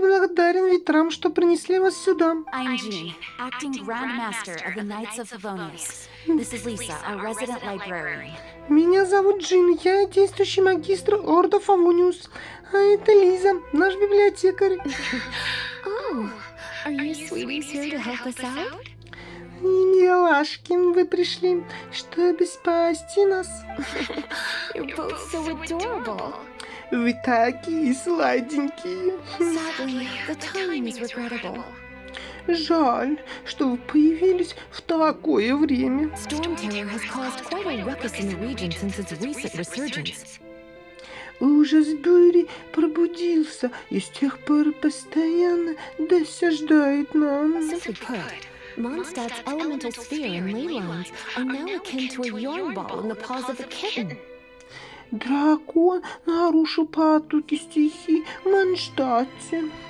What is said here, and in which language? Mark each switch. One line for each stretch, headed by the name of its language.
Russian: благодарен ветрам, что принесли вас сюда.
English: I'm Jean, acting Grand Master of the Knights of Favonius. This is Lisa, our resident librarian.
Russian: Меня зовут Джин, я действующий магистр Орда Фавониус. А это Лиза, наш библиотекарь.
English: Oh, are you sweeties here to help us out?
Russian: Милашки, вы пришли, чтобы спасти нас.
English: You're both so adorable.
Russian: Вы такие сладенькие.
English: Sadly, the timing is regrettable.
Russian: Жаль, что вы появились в такое время.
English: Storm Terror has caused quite a ruckus in the region since its recent resurgence.
Russian: Ужас Бури пробудился и с тех пор постоянно досаждает нам.
English: Simply put, Mondstadt's elemental sphere and ley lines are now akin to a yarn ball in the paws of a kitten.
Russian: Дракон нарушил потоки стихии в Манштадте.